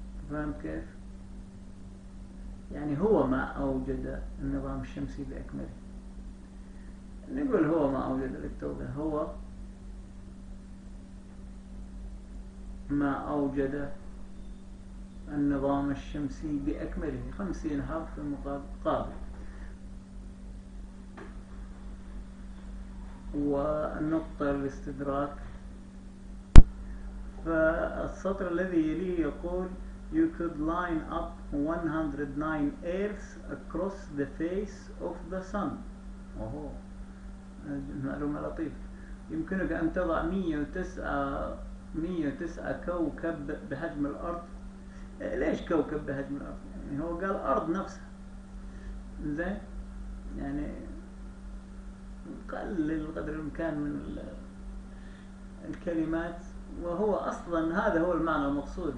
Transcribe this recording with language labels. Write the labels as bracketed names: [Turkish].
[Arabic] فهمت كيف؟ يعني هو ما أوجد النظام الشمسي بأكمله، نقول هو ما أوجد للتوبة، هو ما أوجد النظام الشمسي بأكمله. 50 حرف في المقابل قابل، ونقطة الاستدراك. فالسطر الذي يليه يقول [English] you could line up 109 earths across the face of the sun. [Arabic] أوهو معلومة لطيفة، يمكنك أن تضع 109 كوكب بحجم الأرض. ليش كوكب بحجم الأرض؟ يعني هو قال الأرض نفسها. زين يعني قلل قدر الإمكان من الكلمات، وهو أصلا هذا هو المعنى المقصود.